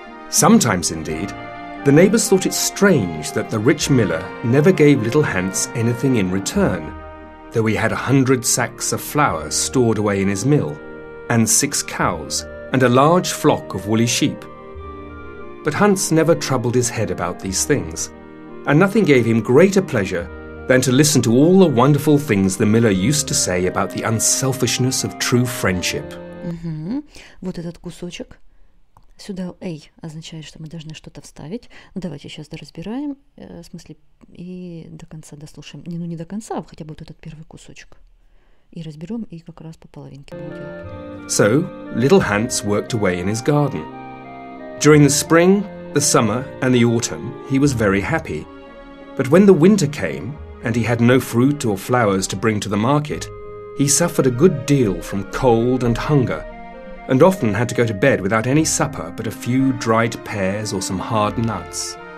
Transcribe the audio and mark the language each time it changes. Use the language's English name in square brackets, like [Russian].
[English] Sometimes, indeed, the neighbors thought it strange that the rich miller never gave little Hans anything in return, though he had 100 sacks of flour stored away in his mill, and 6 cows, and a large flock of woolly sheep. But Hans never troubled his head about these things, and nothing gave him greater pleasure than to listen to all the wonderful things the miller used to say about the unselfishness of true friendship. [Russian] Mm-hmm. Вот этот кусочек. Сюда A означает, что мы должны что-то вставить. Ну, давайте сейчас доразбираем, в смысле, и до конца дослушаем. Не, ну, не до конца, а хотя бы вот этот первый кусочек. И разберем, и как раз по половинке будем делать. [English] So, little Hans worked away in his garden. During the spring, the summer, and the autumn, he was very happy. But when the winter came, and he had no fruit or flowers to bring to the market, he suffered a good deal from cold and hunger, and often had to go to bed without any supper but a few dried pears or some hard nuts.